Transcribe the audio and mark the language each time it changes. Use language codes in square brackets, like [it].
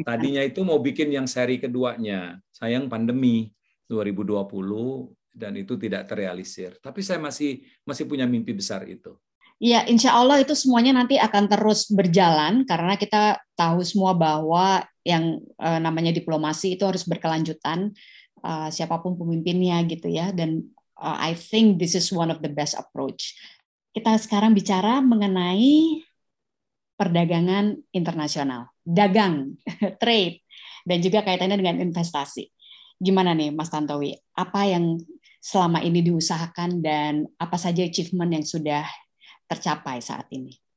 [id] Tadinya itu mau bikin yang seri keduanya, sayang pandemi 2020 dan itu tidak terrealisir. Tapi saya masih punya mimpi besar itu. Ya, insya Allah itu semuanya nanti akan terus berjalan karena kita tahu semua bahwa yang namanya diplomasi itu harus berkelanjutan siapapun pemimpinnya gitu ya. Dan [en] I think this is one of the best approach. [id] Kita sekarang bicara mengenai perdagangan internasional, dagang, trade, dan juga kaitannya dengan investasi. Gimana nih Mas Tantowi, apa yang selama ini diusahakan dan apa saja achievement yang sudah tercapai saat ini?